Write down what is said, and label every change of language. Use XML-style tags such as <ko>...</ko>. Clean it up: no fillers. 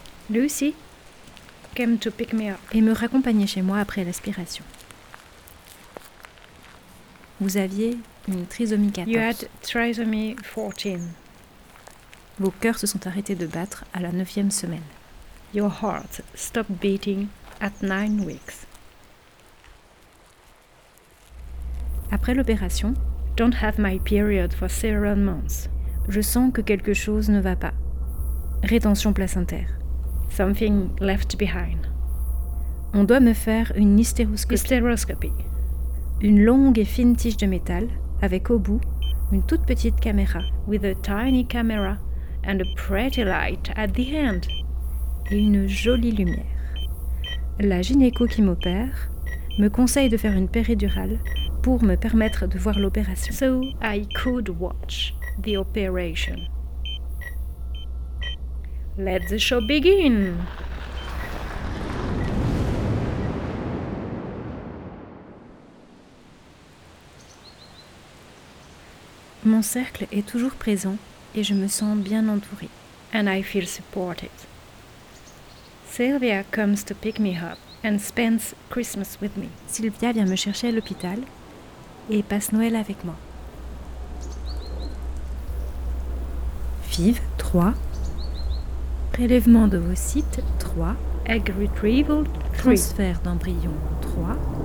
<en>Lucy came to pick me up.</en> <fr>Et me raccompagnait chez moi après l'aspiration. Vous aviez une trisomie 14.</fr> <en>You had trisomy 14.</en> <fr>Vos cœurs se sont arrêtés de battre à la 9e semaine.</fr> <en>Your heart stopped beating at 9 weeks.</en> <fr>Après l'opération,</fr> <en>don't have my period for several months.</en> <fr>Je sens que quelque chose ne va pas. Rétention placentaire.</fr> <en>Something left behind.</en> <fr>On doit me faire une hystéroscopie. Une longue et fine tige de métal, avec au bout une toute petite caméra.</fr> <en>With a tiny camera and a pretty light at the end.</en> <fr>Et une jolie lumière. La gynéco qui m'opère me conseille de faire une péridurale pour me permettre de voir l'opération.</fr> <en>So I could watch the operation. Let the show begin!</en> <fr>Mon cercle est toujours présent et je me sens bien entourée.</fr> <en>And I feel supported. Sylvia comes to pick me up and spends Christmas with me.</en> <fr>Sylvia vient me chercher à l'hôpital et passe Noël avec moi. Vive 3. Prélèvement d'ovocytes 3.</fr> <en>Egg retrieval 3.</en> <fr>Transfert d'embryon 3.</fr>